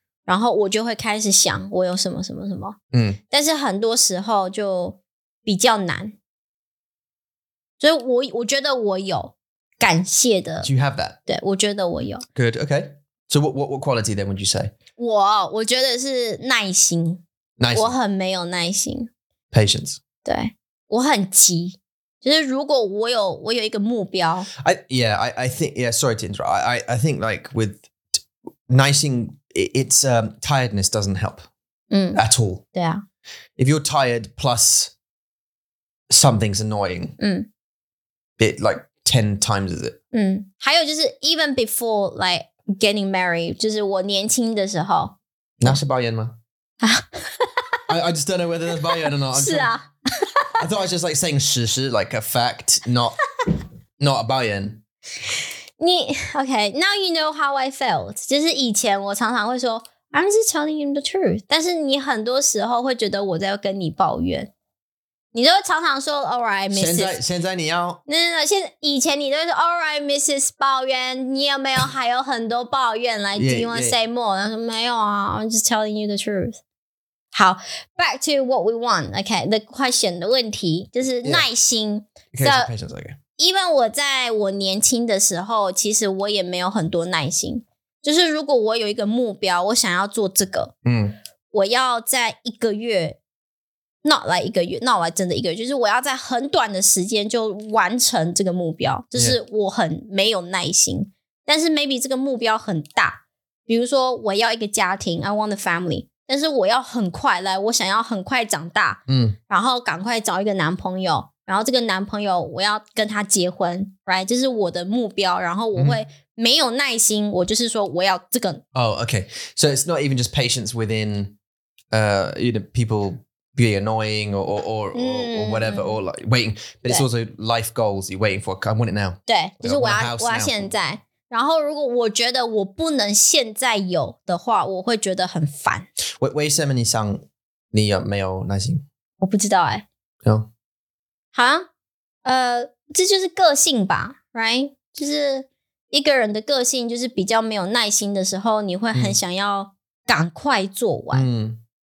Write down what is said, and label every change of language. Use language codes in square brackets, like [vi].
[zh] 然后我就会开始想我有什么什么什么、嗯、但是很多时候就比较难所以我觉得我有感谢的 [en] Do you have that? [zh] 对我觉得我有 [en] Good, okay So what quality then would you say? [zh] 我觉得是耐心 [en] Nice. [zh] 我很没有耐心 [en] Patience [zh] 对我很急就是如果我有一个目标 [en] I think like with 耐心 it's tiredness doesn't help、嗯、 at all [zh] 对啊 [en] If you're tired plus something's annoying、嗯、 bit like 10 times as it. [zh] 还有就是 [en] even before like getting married, [zh] 就是我年轻的时候, 那是抱怨吗? [en] I just don't know whether that's Bayern or not. [zh] 是啊。 [en] I thought I was just like saying 事实, like a fact, not a Bayern. 你, okay, now you know how I felt. [zh] 就是以前我常常会说, [en] I'm just telling you the truth. [zh] 但是你很多时候会觉得我在跟你抱怨。你都会常常说, [en] all right, Mrs. [zh] 现在你要... 以前你都会说, [en] all right, Mrs. [zh] 抱怨, 你有没有还有很多抱怨, [en] like, yeah, do you want to say more? [zh] 然后说没有啊, [en] I'm just telling you the truth. [zh] 好, [en] back to what we want, okay, the question, [zh] 的问题, 就是耐心, [en] yeah. Okay, so, patience, okay. [zh] Even 我在我年轻的时候, 其实我也没有很多耐心, 就是如果我有一个目标, 我想要做这个, 我要在一个月, [en] not like [zh] 一个月, not like 真的一个月, 就是我要在很短的时间就完成这个目标, 就是我很没有耐心, 但是maybe这个目标很大, 比如说我要一个家庭, [en] I want a family, [zh] 但是我要很快, like, 我想要很快长大, 然后赶快找一个男朋友, 然后这个男朋友我要跟他结婚, right? 这是我的目标, 然后我会没有耐心, 我就是说我要这个, [en] oh, okay. So it's not even just patience within, you know, people being annoying or whatever, or like waiting, but it's also life goals you're waiting for. I want it now. [zh] 对，就是我要现在。然后如果我觉得我不能现在有的话, 我会觉得很烦。为什么你想你没有耐心? 我不知道欸。 [en] No? [zh] 好啊, 这就是个性吧, right? 就是一个人的个性就是比较没有耐心的时候, 你会很想要赶快做完。